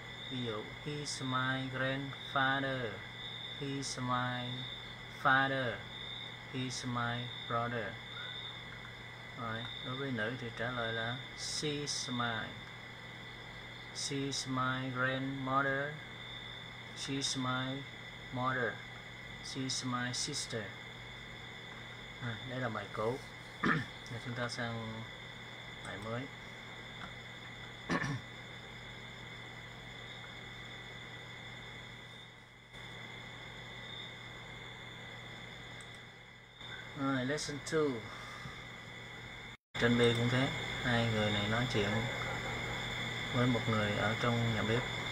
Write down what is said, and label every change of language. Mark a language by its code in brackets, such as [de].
[vi] Ví dụ [en] He's my grandfather, He's my father, He's my brother. [vi] Rồi đối với nữ thì trả lời là [en] She's my. She's my grandmother, She's my mother, She's my sister. [vi] Đây là bài cũ. Rồi chúng ta sang bài mới. Rồi, lesson 2. Trên bia cũng thế, hai người này nói chuyện với một người ở trong nhà bếp.